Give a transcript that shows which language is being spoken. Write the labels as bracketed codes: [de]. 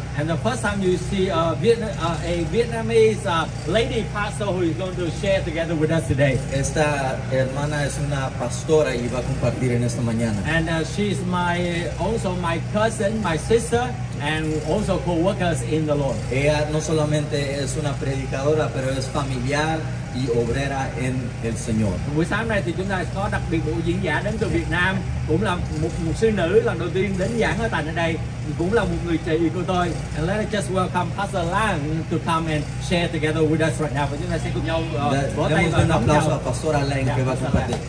[en] And the first time you see a Vietnamese lady pastor who is going to share together with us today. [es] Esta hermana es una pastora y va a compartir en esta mañana. [en] And she's my cousin, my sister, and also co-workers in the Lord. [es] Ella no solamente es una predicadora, pero es familiar y obrera en el Señor. [vi] Buổi sáng nay thì chúng ta có đặc biệt một diễn giả đến từ Việt Nam, cũng là một mục sư nữ lần đầu tiên đến giảng ở tại đây, cũng là một người chị của tôi. [en] And let us just welcome Pastor Lang to come and share together with us right now. [vi] Và chúng ta sẽ cùng nhau vỗ tay và đón chào Pastor Lang kể về chúng ta.